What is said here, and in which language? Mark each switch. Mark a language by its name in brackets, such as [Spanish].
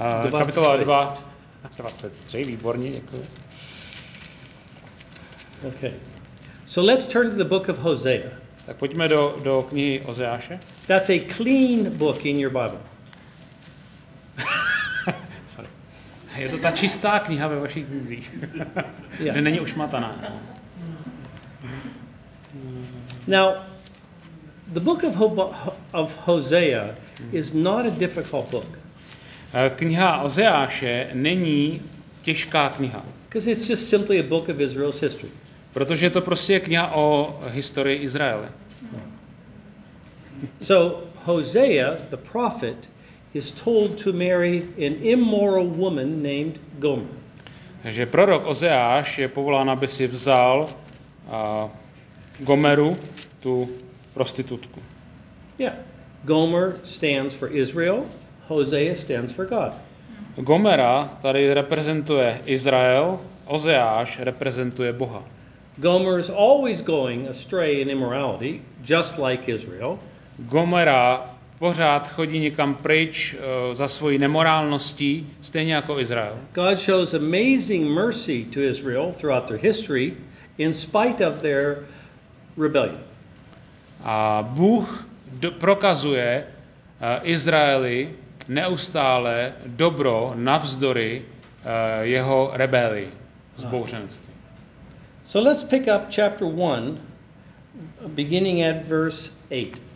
[Czech] Kapitola 2 23, výborně, děkuji. [English] Okay. So let's turn to the book of Hosea. [Czech] Tak pojďme do knihy Ozeáše. [English] That's a clean book in your Bible. Sorry. [Czech] Je to ta čistá kniha ve vašich Biblích. [English] Yeah. [Czech] Že není ušmataná. [English] Now, the book of Hosea is not a difficult book. [Czech] Kniha Ozeáše není těžká kniha. [English] Because it's just simply a book of Israel's history. [Czech] Protože to prostě je kniha o historii Izraele. [English] So Hosea, the prophet, is told to marry an immoral woman named Gomer. [Czech] Takže prorok Ozeáš je povolán, aby si vzal Gomeru, tu prostitutku. [English] Yeah. Gomer stands for Israel, Hosea stands for God. [Czech] Gomera tady reprezentuje Izrael, Ozeáš reprezentuje Boha. [English] Gomer is always going astray in immorality, just like Israel. [Czech] Gomera pořád chodí někam pryč za svojí nemorálností, stejně jako Izrael. [English] God shows amazing mercy to Israel throughout their history, in spite of their rebellion. [Czech] A Bůh prokazuje Izraeli neustále dobro navzdory jeho rebelii, zbouřenství. [English] So let's pick up chapter 1, beginning at verse 8.